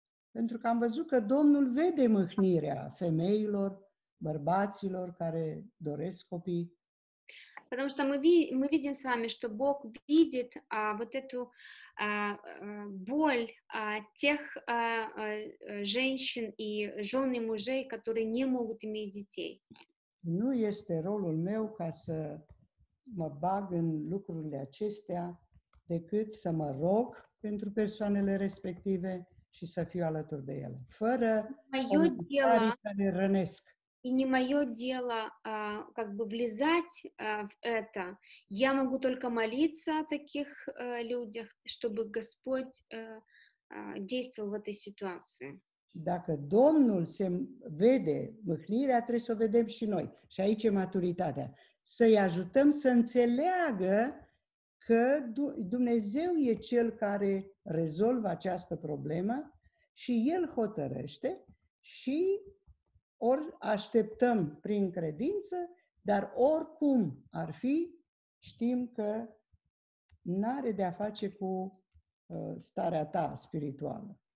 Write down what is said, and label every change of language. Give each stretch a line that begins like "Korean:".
Romanian: Pentru că am văzut că Domnul vede mâhnirea femeilor, bărbaților care doresc copii.
Russian: Потому что мы видим с вами, что Бог видит вот эту боль тех женщин и жен и мужей, которые не могут иметь детей.
Romanian: Nu este rolul meu ca să mă bag în lucrurile acestea, decât să mă rog pentru persoanele respective și să fiu alături de ele. Fără comentarii care rănesc.
Russian: И не мое дело как бы влезать в это. Я могу только молиться о таких людях, чтобы Господь действовал в этой ситуации.
Romanian: Dacă Domnul se vede mâhnirea, trebuie să o vedem și noi. Și aici e maturitatea. Să-i ajutăm să înțeleagă că Dumnezeu e cel care rezolvă această problemă și El hotărăște și ori așteptăm prin credință, dar oricum ar fi, știm că n-are de-a face cu starea ta spirituală.